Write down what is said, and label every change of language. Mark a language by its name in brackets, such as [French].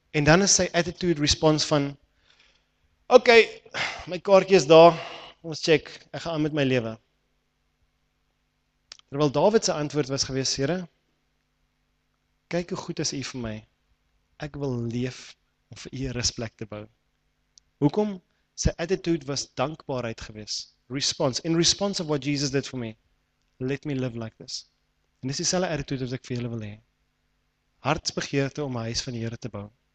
[Afrikaans] En dan is sy attitude response van okay, my kaartjie is daar. Ons check. Ek gaan aan met my lewe. Terwyl Dawid se antwoord was gewees, Here, kyk hoe goed is U vir my. Ek wil leef om vir U 'n rusplek te bou. Hoekom? Sy attitude was dankbaarheid gewees. [English] Response in response of what Jesus did for me. Let me live like this. [Afrikaans] En dis dieselfde attitude wat ek vir julle wil hê. Hartsbegeerte om 'n huis van die Here te bou.